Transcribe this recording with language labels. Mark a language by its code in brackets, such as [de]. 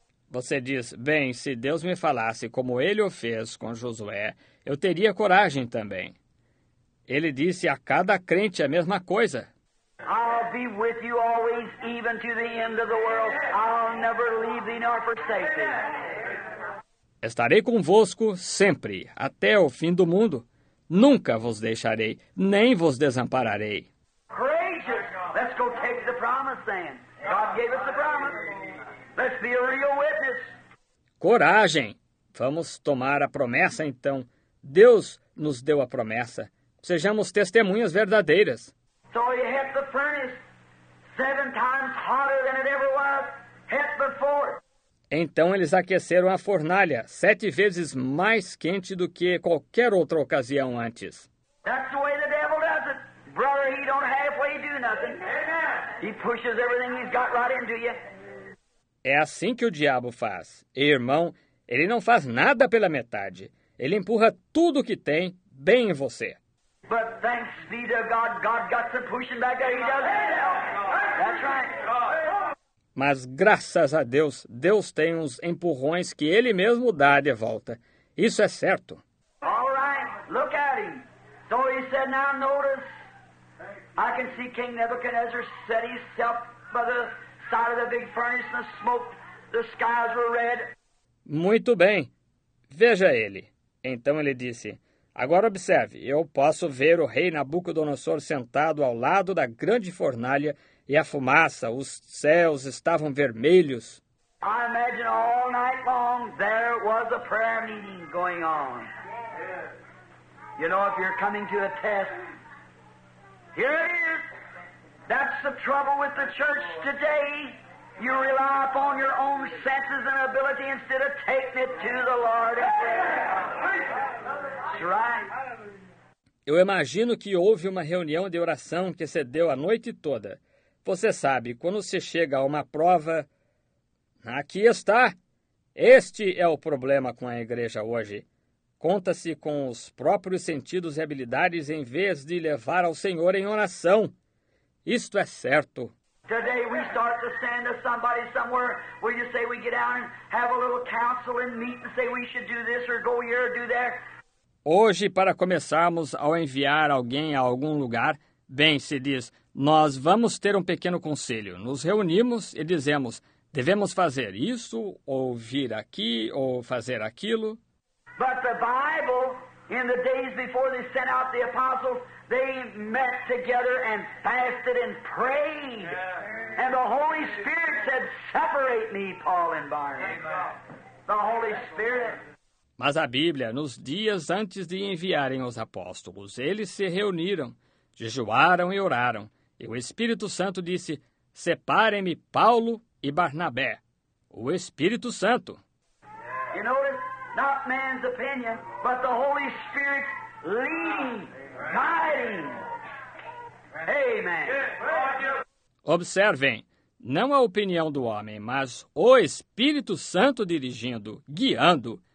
[pt] Você diz, bem, se Deus me falasse como ele o fez com Josué, eu teria coragem também. Ele disse a cada crente a mesma coisa. [en] I'll be with you always, even to the end of the world. I'll never leave thee nor forsake thee. [pt] Estarei convosco sempre, até o fim do mundo. Nunca vos deixarei, nem vos desampararei. [en] Courageous. Let's go take the promise then. God gave us the promise. Let's be a real witness. [pt] Coragem. Vamos tomar a promessa então. Deus nos deu a promessa. Sejamos testemunhas verdadeiras. [en] So he hit the furnace seven times hotter than it ever was hit before. [pt] Então eles aqueceram a fornalha sete vezes mais quente do que qualquer outra ocasião antes. [en] That's the way the devil does it. Brother, he don't halfway do nothing. He pushes everything he's got right into you. [pt] É assim que o diabo faz. E, irmão, ele não faz nada pela metade. Ele empurra tudo o que tem bem em você. [en] But thanks be to God, God got some pushing back there. He does it. That's right. [pt] Mas graças a Deus, Deus tem uns empurrões que Ele mesmo dá de volta. Isso é certo. [en] All right, look at him. So he said, now notice, I can see King Nebuchadnezzar set himself by the side of the big furnace and the smoke, the skies were red. [pt] Muito bem, veja ele. Então ele disse, agora observe, eu posso ver o rei Nabucodonosor sentado ao lado da grande fornalha e a fumaça, os céus estavam vermelhos. [en] I imagine all night long there was a prayer meeting going on. You know, if you're coming to a test, here it is. That's the trouble with the church today. You rely upon your own senses and ability instead of taking it to the Lord. That's right. [pt] Eu imagino que houve uma reunião de oração que se deu a noite toda. Você sabe, quando se chega a uma prova, aqui está. Este é o problema com a igreja hoje. Conta-se com os próprios sentidos e habilidades em vez de levar ao Senhor em oração. Isto é certo. [en] Today we start to send to somebody somewhere where you say we get out and have a little council and meet and say we should do this or go here or do that. [pt] Hoje, para começarmos ao enviar alguém a algum lugar, bem, se diz, nós vamos ter um pequeno conselho. Nos reunimos e dizemos, devemos fazer isso, ou vir aqui, ou fazer aquilo. [en] But the Bible, in the days before they sent out the apostles, they met together and fasted and prayed. Yeah. And the Holy Spirit said, separate me, Paul and Barnabas. The Holy Spirit. [pt] Mas a Bíblia, nos dias antes de enviarem os apóstolos, eles se reuniram. Jejuaram e oraram, e o Espírito Santo disse, separem-me Paulo e Barnabé, o Espírito Santo. [en] You notice, not man's opinion, but the Holy Spirit leading, guiding. Amen. [pt] Observem, não a opinião do homem, mas o Espírito Santo dirigindo, guiando.